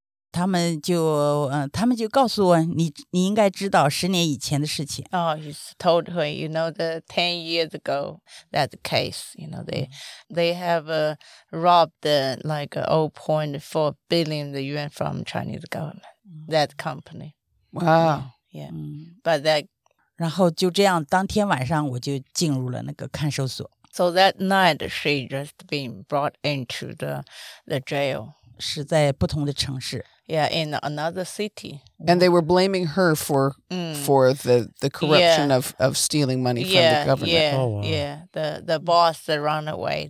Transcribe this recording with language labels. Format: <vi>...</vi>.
<zh>他们就告诉我，你应该知道十年以前的事情。</zh> <en>Oh, he told her, you know, the 10 years ago, that case, you know, they have robbed like 0.4 billion yuan from Chinese government. That company. Wow. Yeah. But that.</en> <zh>然后就这样，当天晚上我就进入了那个看守所。</zh> <en>So that night, she just been brought into the jail.</en> <zh>是在不同的城市。</zh> <en>Yeah, in another city. And they were blaming her for, for the corruption of stealing money from the government. Yeah, The boss ran away.</en>